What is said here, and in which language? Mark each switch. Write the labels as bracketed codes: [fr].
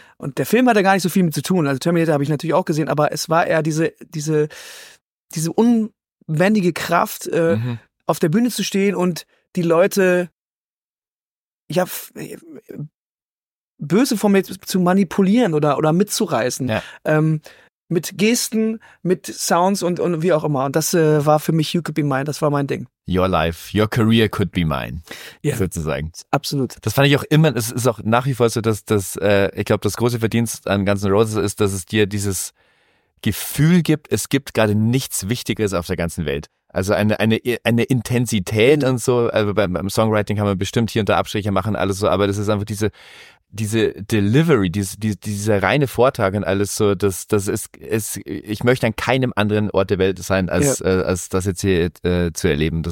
[de] Und der Film hatte gar nicht so viel mit zu tun. Also Terminator habe ich natürlich auch gesehen, aber es war eher diese unbändige Kraft, auf der Bühne zu stehen und die Leute böse von mir zu manipulieren oder mitzureißen. Ja. Mit Gesten, mit Sounds und wie auch immer. Und das war für mich You Could Be Mine, das war mein Ding. [en] Your life, your career could be mine, sozusagen. [de] Absolut. Das fand ich auch immer, es ist auch nach wie vor so, dass das, ich glaube, das große Verdienst an Guns N' Roses ist, dass es dir dieses Gefühl gibt, es gibt gerade nichts Wichtiges auf der ganzen Welt. Also eine Intensität und so, also beim Songwriting kann man bestimmt hier und da Abstriche machen, alles so, aber das ist einfach diese Delivery, dieser reine Vortrag und alles so, das ist, ich möchte an keinem anderen Ort der Welt sein, als das jetzt hier zu erleben.